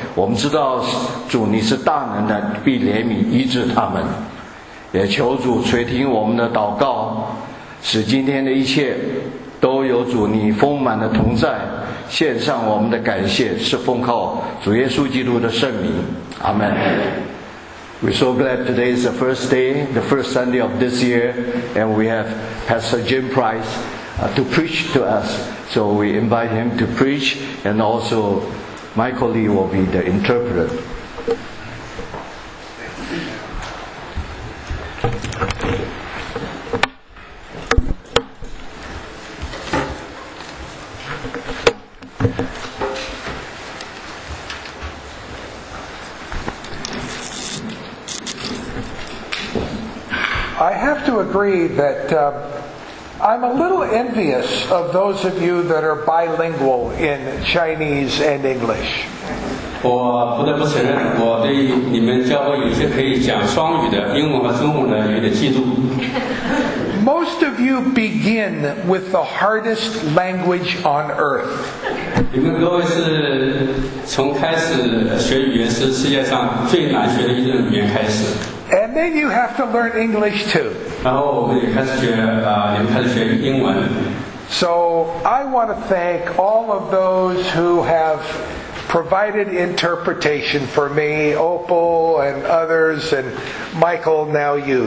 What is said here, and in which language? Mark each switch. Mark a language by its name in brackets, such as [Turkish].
[Chinese] 我们知道主你是大能的，必怜悯医治他们，也求主垂听我们的祷告，使今天的一切都有主你丰满的同在。献上我们的感谢是奉靠主耶稣基督的圣名，阿们。 [English] We're so glad today is the first day, the first Sunday of this year, and we have Pastor Jim Price, to preach to us. So we invite him to preach, and also Michael Lee will be the interpreter. Agree that I'm a little envious of those of you that are bilingual in Chinese and English. [Chinese] 我不得不承认，我对你们教会有些可以讲双语的英文和中文的有点嫉妒。 [English] Most of you begin with the hardest language on earth. [Chinese] 你们各位是从开始学语言是世界上最难学的一种语言开始。 [English] And then you have to learn English too. [Chinese] 然后我们也开始学，你们开始学英文。 [English] So I want to thank all of those who have provided interpretation for me, Opal and others, and Michael, now you.